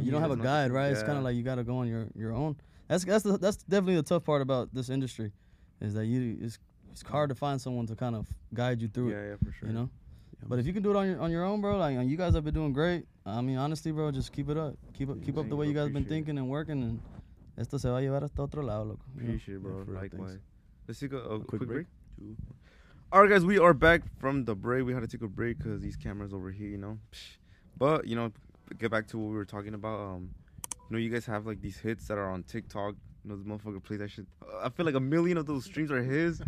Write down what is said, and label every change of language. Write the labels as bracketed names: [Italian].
[English] You don't have a guide, right? Yeah. It's kind of like you gotta go on your own. That's definitely the tough part about this industry, is that it's hard to find someone to kind of guide you through it. Yeah, for sure. You know? Yeah. But if you can do it on your own, bro, like you guys have been doing great. I mean, honestly, bro, just keep it up. Keep up the way you guys been thinking and working. [Spanish] And esto se va a llevar hasta otro lado, loco. [English] Appreciate it, bro. Yeah, likewise. Let's take a quick break. All right, guys, we are back from the break. We had to take a break because these cameras over here, you know. But, you know, get back to what we were talking about. You know, you guys have, like, these hits that are on TikTok. You know, this motherfucker plays that shit. I feel like a million of those streams are his.